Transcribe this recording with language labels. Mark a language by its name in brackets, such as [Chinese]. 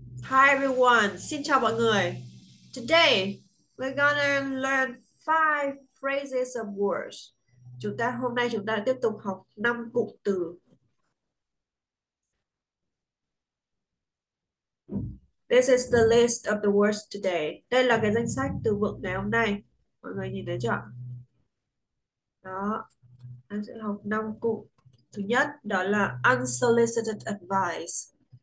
[English] Hi everyone, [Vietnamese] xin chào mọi người. [English] Today, we're gonna learn five phrases of words. [Vietnamese] Hôm nay chúng ta tiếp tục học 5 cụm từ. [English] Is the list of the words today. [Vietnamese] Đây là cái danh sách từ vựng ngày hôm nay. Mọi người nhìn thấy chưa? Đó, anh sẽ học 5 cụm. Thứ nhất, đó là unsolicited advice.